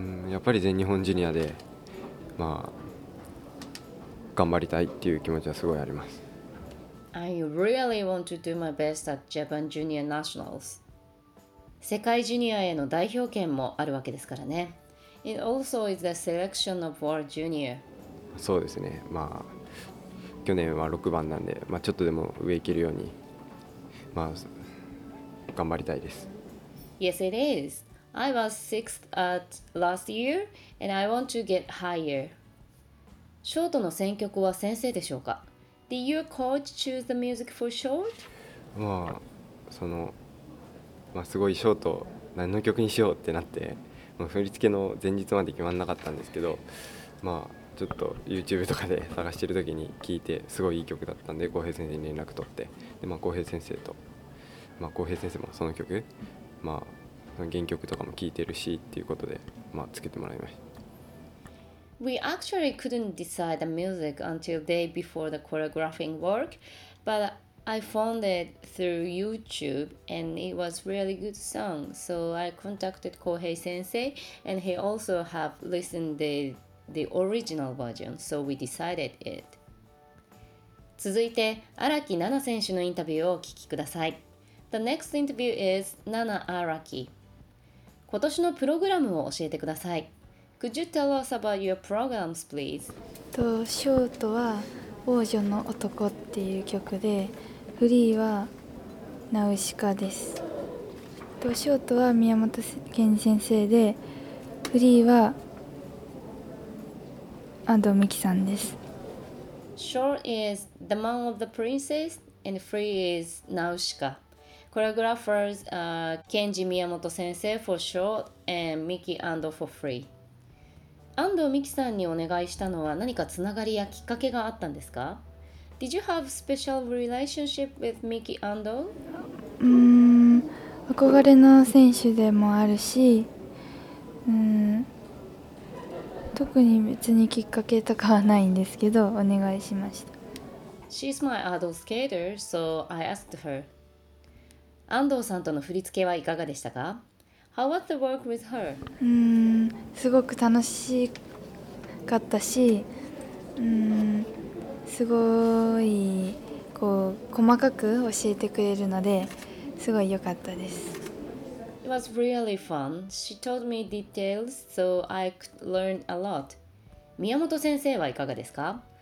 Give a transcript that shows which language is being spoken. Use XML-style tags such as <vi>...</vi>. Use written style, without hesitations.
<ja>やっぱり全日本ジュニアで、まあ、頑張りたいっていう気持ちはすごいあります。</ja> <en>I really want to do my best at Japan Junior Nationals.</en> <ja>世界ジュニアへの代表権もあるわけですからね。</ja> <en>It also is the selection of World Junior.</en> <ja>そうですね。まあ去年は6番なんで、まあちょっとでも上行けるように、まあ頑張りたいです。</ja> <en>Yes, it is. I was 6th at last year, and I want to get higher.</en> <ja>ショートの選曲は先生でしょうか?</ja> <en>Did your coach choose the music for short?</en> <ja>まあそのまあすごいショート何の曲にしようってなって。振り付けの前日まで決まらなかったんですけど、まあちょっと YouTube とかで探してる時に聞いてすごいいい曲だったんで、浩平先生に連絡取って、でまあ浩平先生と、まあ浩平先生もその曲、まあ原曲とかも聞いてるしっていうことで、まあつけてもらいました。</ja> <en>We actually couldn't decide the music until day before the choreographing work, but I found it through YouTube and it was really good song. So I contacted Kohei sensei and he also have listened the original version. So we decided it.</en> <ja>続いて、荒木奈々選手のインタビューをお聞きください。</ja> <en>The next interview is Nana Araki.</en> <ja>今年のプログラムを教えてください。</ja> <en>Could you tell us about your programs, please?</en> <ja>ショートは王女の男っていう曲で、フリーはナウシカです。ショートは宮本賢治先生で、フリーは安藤美希さんです。</ja> <en>Short is The Man of the Princess and Free is Nausicaa. Choreographers are Kenji Miyamoto 先生 for Short and Miki Ando for Free.</en> <ja>安藤美希さんにお願いしたのは何かつながりやきっかけがあったんですか?</ja> <en>Did you have a special relationship with Miki Ando?</en> <ja>憧れの選手でもあるし、うん、特に別にきっかけとかはないんですけど、お願いしました。</ja> <en>She's my idol skater, so I asked her.</en> <ja>安藤さんとの振り付けはいかがでしたか？</ja> <en>How was the work with her?</en> <ja>すごく楽しかったし、すごいこう細かく教えてくれるので、すごい良かったです。</ja> <en>It was really fun. She told me details, so I could learn a lot.</en> <ja>宮本先生はいかがですか？</ja>